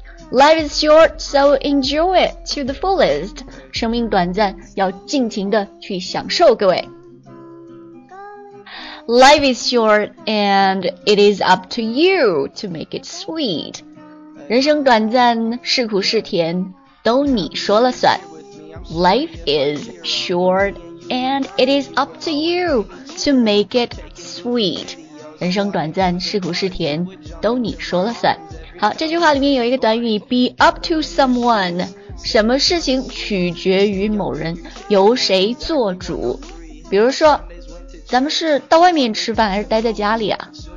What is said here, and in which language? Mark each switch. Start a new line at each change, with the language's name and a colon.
English: Life is short, so enjoy it to the fullest.
Chinese: 生命短暂，要尽情的去享受，各位。
English: Life is short and it is up to you to make it sweet.
Chinese: 人生短暂，是苦是甜，都你说了算。
English: Life is short. And it is up to you to make it sweet.
Chinese: 人生短暂，是苦是甜，都你说了算。好，这句话里面有一个短语
English: be up to someone，
Chinese: 什么事情取决于某人，由谁做主。比如说，咱们是到外面吃饭还是待在家里啊？